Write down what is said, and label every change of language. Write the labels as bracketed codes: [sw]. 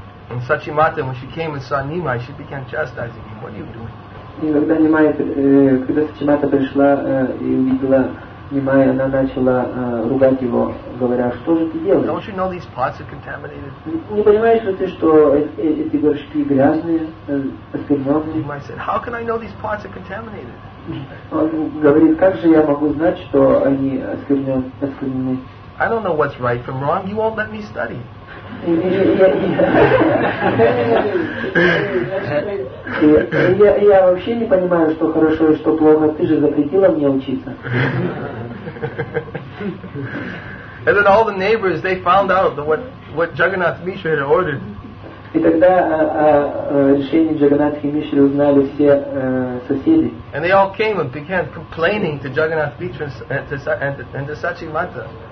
[en] And Sachimata, when she came and saw Nimai, she began chastising him. What are you doing? [ru] И когда Нимай, когда Сачимата пришла и увидела Снимая, она начала ругать его, говоря, что же ты делаешь? [en] Don't you know these pots are contaminated? [ru] Не понимаешь ли ты, что эти горшки грязные, оскверненные? [en] Nehemiah said, how can I know these pots are contaminated? [ru] Он говорит, как же я могу знать, что они осквернены? [en] I don't know what's right from wrong. You won't let me study. [ru] Я вообще не понимаю, что хорошо и что плохо. Ты же запретила мне учиться. [en] And then all the neighbors, they found out what Jagannath Mishra had ordered. [ru] И тогда о решении Джаганнатхи Мишри узнали все соседи. [en] And they all came and began complaining to Jagannath Mishra and to Sachi Mata.